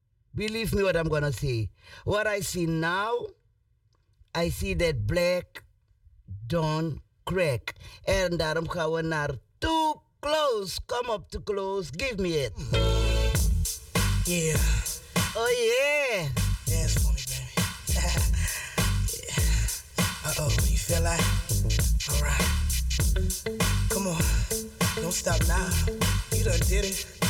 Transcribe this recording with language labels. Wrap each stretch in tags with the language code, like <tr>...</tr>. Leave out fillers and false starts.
<en>Believe me what I'm gonna say. What I see now, I see that black don't crack.</en> <nl>En daarom gaan we naar Too Close.</nl> <en>Come up Too Close, give me it. Yeah. Oh yeah. Dance for me, baby. Yeah. Uh-oh, you feel like? All right. Come on, don't stop now. You done did it.</en>